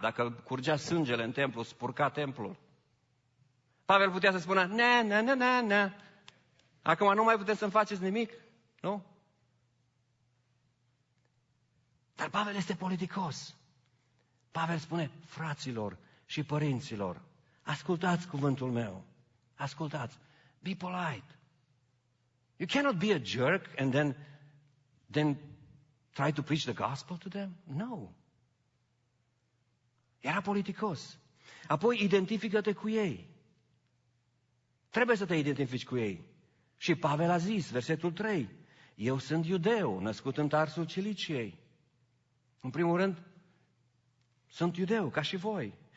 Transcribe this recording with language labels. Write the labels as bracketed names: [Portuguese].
[Romanian] Dacă curgea sângele în templu, spurca templul. Pavel putea să spună, na. Acum nu mai puteți să-mi faceți nimic, nu? Dar Pavel este politicos. Pavel spune, fraților și părinților, ascultați cuvântul meu. Ascultați. [English] Be polite. You cannot be a jerk and then try to preach the gospel to them. No. [Romanian] Era politicos. Apoi identifică-te cu ei. Trebuie să te identifici cu ei. Și Pavel a zis, versetul 3, eu sunt iudeu, născut în Tarsul Ciliciei. În primul rând, sunt iudeu, ca și voi.